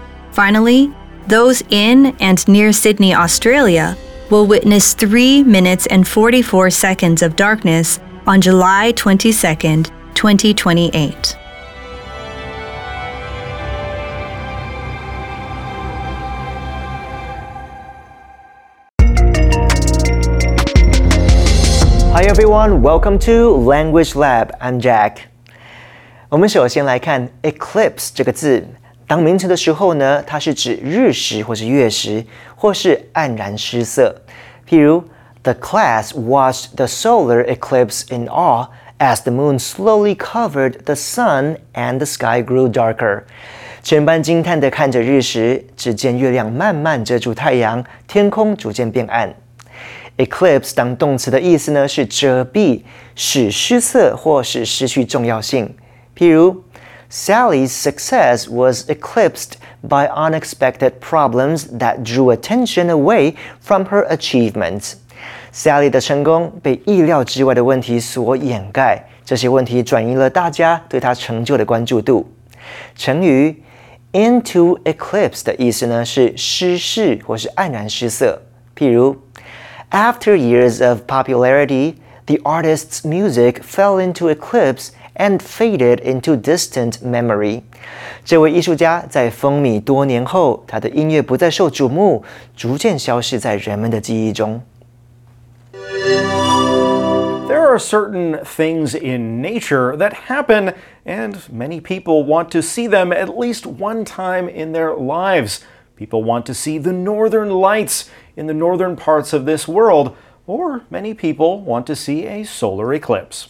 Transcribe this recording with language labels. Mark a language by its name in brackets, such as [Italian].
[English] Finally, those in and near Sydney, Australia, will witness 3 minutes and 44 seconds of darkness on July 22, 2028. Hi everyone, welcome to Language Lab, I'm Jack. [Chinese] 我们首先来看 eclipse 这个字，当名词的时候呢，它是指日食或是月食，或是黯然失色。譬如 [English] the class watched the solar eclipse in awe as the moon slowly covered the sun and the sky grew darker. [Chinese] 全班惊叹地看着日食，只见月亮慢慢遮住太阳，天空逐渐变暗。 Eclipse 当动词的意思呢是遮蔽，使失色或使失去重要性。譬如 [English] ，Sally's success was eclipsed by unexpected problems that drew attention away from her achievements. [Chinese] Sally 的成功被意料之外的问题所掩盖，这些问题转移了大家对她成就的关注度。成语 [English] into eclipse [Chinese] 的意思呢是失势或是黯然失色。譬如。 [English] After years of popularity, the artist's music fell into eclipse and faded into distant memory. [Chinese] 这位艺术家在风靡多年后，他的音乐不再受瞩目，逐渐消失在人们的记忆中。 [English] There are certain things in nature that happen, and many people want to see them at least one time in their lives. People want to see the northern lights. In the northern parts of this world, or many people want to see a solar eclipse.